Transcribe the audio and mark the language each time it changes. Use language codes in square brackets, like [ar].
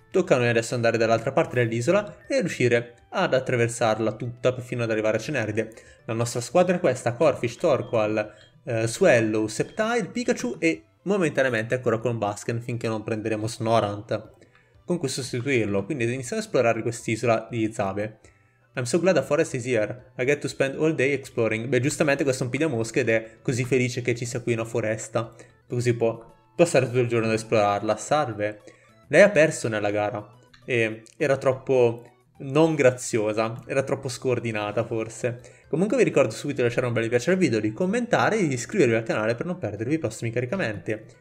[it] Tocca a noi adesso andare dall'altra parte dell'isola e riuscire ad attraversarla tutta fino ad arrivare a Ceneride. La nostra squadra è questa: Corphish, Torkoal, Swellow, Sceptile, Pikachu e momentaneamente ancora con Basken finché non prenderemo Snorunt. Con cui sostituirlo. Quindi iniziamo a esplorare quest'isola di Izabe. [en] I'm so glad the forest is here. I get to spend all day exploring. [it] Beh, giustamente questo è un pigliamosca ed è così felice che ci sia qui una foresta. Così può passare tutto il giorno ad esplorarla. Salve! Lei ha perso nella gara e era troppo non graziosa, era troppo scoordinata forse. Comunque vi ricordo subito di lasciare un bel mi piace al video, di commentare e di iscrivervi al canale per non perdervi i prossimi caricamenti.